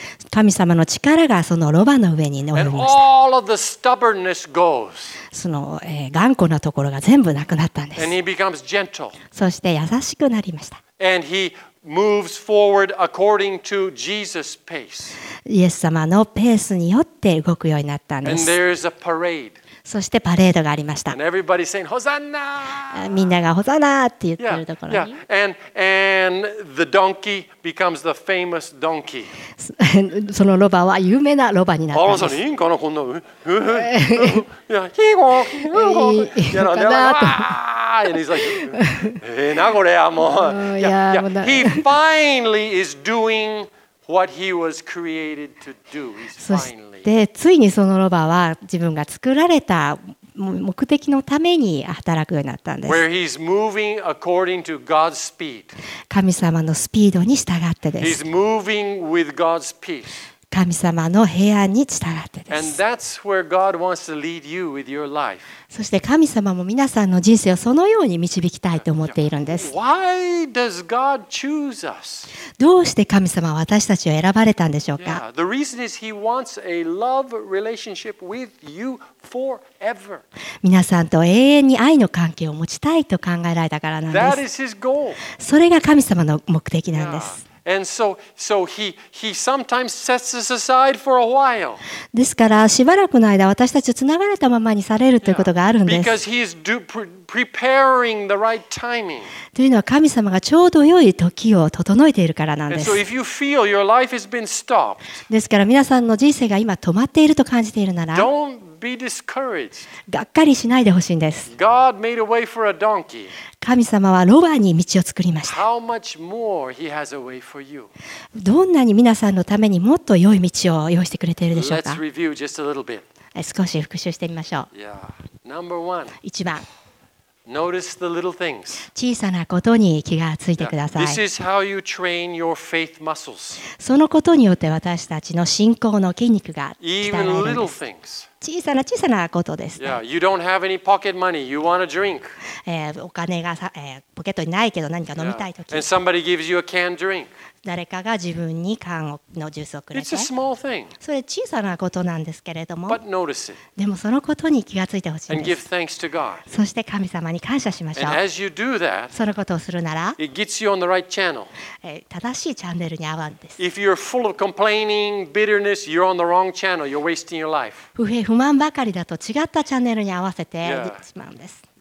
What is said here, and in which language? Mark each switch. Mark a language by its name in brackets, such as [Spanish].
[Japanese] 神様の力がそのロバの上に乗りました。その、頑固なところが全部なくなったんです。そして優しくなりました。 [English] Moves forward according to Jesus' pace. [Japanese] イエス様のペースによって動くようになったんです。 [English] And there is a parade. [Japanese] そしてパレードがありました。 [English] And everybody saying, Hosanna! [Japanese] みんながホザナーって言ってるところに。 [English] Yeah, yeah. And the donkey becomes the famous donkey. [Japanese] そのロバは有名なロバになったんです。あ、それいいんかな、こんな。 [English] Yeah, he go, he go. You know, they're like, ah! And he's like, [Japanese] ええなこれはもう。 [English] Yeah, he finally is doing what he was created to do. [Japanese] そしてついにそのロバは自分が作られた目的のために働くようになったんです。 [English] Where he's moving according to God's speed. [Japanese] 神様のスピードに従ってです。 [English] He's moving with God's peace. [Japanese] 神様の平安に従ってです。 [English] And that's where God wants to lead you with your life. [Japanese] そして神様も皆さんの人生をそのように導きたいと思っているんです。 [English] Why does God choose us? [Japanese] どうして神様は私たちを選ばれたんでしょうか。 [English] Yeah, the reason is he wants a love relationship with you forever. [Japanese] 皆さんと永遠に愛の関係を持ちたいと考えられたからなんです。 [English] That is his goal. [Japanese] それが神様の目的なんです。 [English] Yeah. And so he sometimes sets us aside for a while. [Japanese] ですからしばらくの間私たちをつながれたままにされるということがあるんです。 [English] Yeah, because he is preparing the right timing. [Japanese] というのは神様がちょうど良い時を整えているからなんです。 [English] And so if you feel your life has been stopped, [Japanese] ですから皆さんの人生が今止まっていると感じているなら、 [English] don't be discouraged. [Japanese] がっかりしないでほしいんです。 [English] God made a way for a donkey. [Japanese] 神様はロバに道を作りました。 [English] How much more he has a way for you? [Japanese] どんなに皆さんのためにもっと良い道を用意してくれているでしょうか。 [English] Let's review just a little bit. [Japanese] 少し復習してみましょう。 [English] Yeah. Number one. [Japanese] 1番。 [English] Notice the little things. [Japanese] 小さなことに気がついてください。 [English] This is how you train your faith muscles. [Japanese] そのことによって私たちの信仰の筋肉が鍛えられるんです。 [English] Even little things. [Japanese] 小さな小さなことです、ね。 [English] Yeah, you don't have any pocket money. You want a drink. [Japanese] お金が、ポケットにないけど何か飲みたいとき。 [English] Yeah. And somebody gives you a canned drink. [Japanese] 誰かが自分に缶のジュースをくれて。 [English] It's a small thing. [Japanese] それ小さなことなんですけれども。 [English] But notice it. [Japanese] でもそのことに気がついてほしいです。 [English] And give thanks to God. [Japanese] そして神様に感謝しましょう。 [English] And as you do that, [Japanese] そのことをするなら、 [English] it gets you on the right channel. [Japanese] 正しいチャンネルに合うんです。 [English] If you're full of complaining, bitterness, you're on the wrong channel. You're wasting your life. [Japanese] 不平不満ばかりだと違ったチャンネルに合わせてしまうんです。